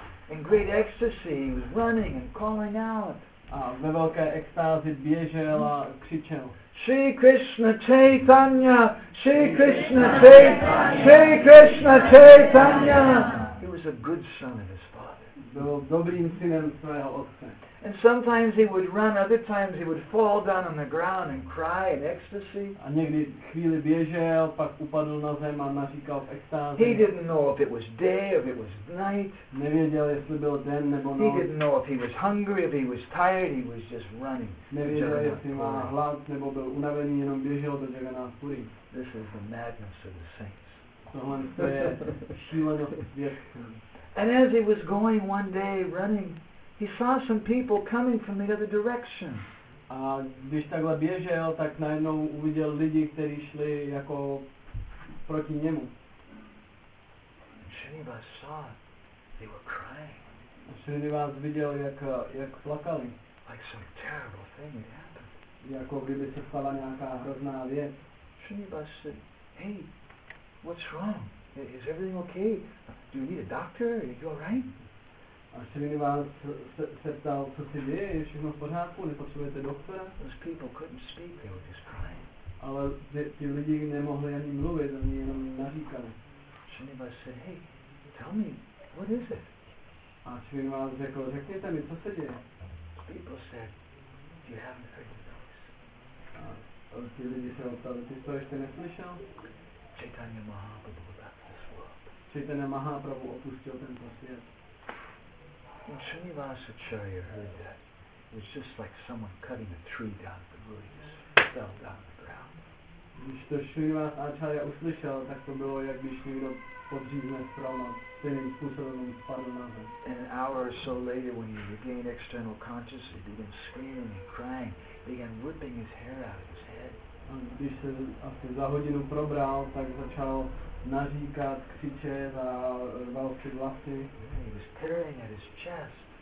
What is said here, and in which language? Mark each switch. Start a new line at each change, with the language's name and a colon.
English: In great ecstasy, he was running and calling out.
Czech: Ve velké extázi běžel a křičel.
Sanskrit: Shri Krishna Chaitanya, Shri Krishna Chaitanya, Shri Krishna Chaitanya.
English: He was a good son of his father.
Czech: Byl dobrým synem svého otce.
English: And sometimes he would run, other times he would fall down on the ground and cry in ecstasy.
Czech: A někdy chvíli běžel, pak upadl na zem a naříkal v extázi.
English: He didn't know if it was day or if it was night.
Czech: Nevěděl, jestli byl den nebo noc.
English: He didn't know if he was hungry, if he was tired, he was just running.
Czech: Nevěděl, jestli má hlad nebo byl unavený, jenom běžel do Jagannath Puri.
English: This is the madness of the saints.
Czech: Tohle je šílenost věřků.
English: And as he was going one day running, he saw some people coming from the other direction.
Czech: A když takhle běžel, tak najednou uviděl lidi, kteří šli jako proti němu.
English: Srinivas saw they were crying.
Czech: Srinivas viděl, jak plakali.
English: Like some terrible thing had happened.
Czech: Jako kdyby se stala nějaká hrozná věc.
English: Srinivas said, hey, what's wrong? Is everything okay? Do you need a doctor? Are you all right?
Czech: A Srinivas se ptal, co si děje, je všechno v pořádku, nepotřebujete doktora?
English: Those people couldn't speak, they were just crying.
Czech: Ale ty lidi nemohli ani mluvit, oni jenom naříkali.
English: Srinivas said, hey, tell me, what is it?
Czech: A Srinivas řekl, řekněte mi, co se děje?
English: Those people said, do you haven't heard the noise?
Czech: A ty lidi se ptali, ty to ještě neslyšel?
English: Chaitanya Mahaprabhu left this world.
Czech: Chaitanya Mahaprabhu opustil tento svět.
English: When Srinivas Acharya heard that, it was just like someone cutting a tree down at the root, just fell down the ground.
Czech: Když to Srinivas Acharya uslyšel, tak to bylo, jak když někdo podřízne strana, stejným způsobem spadl na zem.
English: An hour or so later, when he regained external consciousness, he began screaming and crying, began ripping his hair out of his head.
Czech: A když se asi za hodinu probral, tak začal naříkat, křičet a rval si vlasy.
English: He was tearing at his chest.